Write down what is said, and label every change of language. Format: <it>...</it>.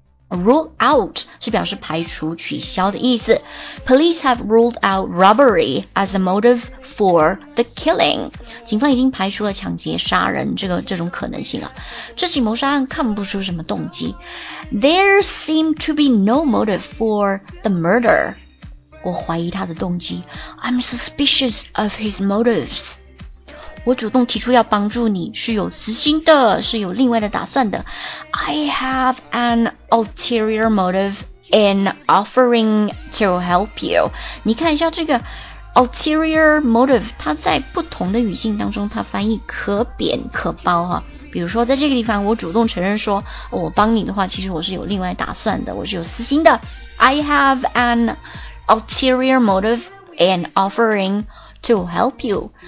<zh>Rule out 是表示排除、取消的意思。</zh> <en>Police have ruled out robbery as a motive for the killing.</en> <zh>警方已经排除了抢劫、杀人这种可能性了。这起谋杀案看不出什么动机。</zh> <en>There seem to be no motive for the murder.</en> <zh>我怀疑他的动机。</zh> <en>I'm suspicious of his motives.</en> <zh>我主动提出要帮助你是有私心的，是有另外的打算的。</zh> <en>I have an ulterior motive in offering to help you.</en> <zh>你看一下这个 ulterior motive, 它在不同的语境当中它翻译可贬可褒啊。比如说在这个地方我主动承认说我帮你的话，其实我是有另外打算的，我是有私心的。</zh> <en>I have an ulterior motive in offeringto help you.</en>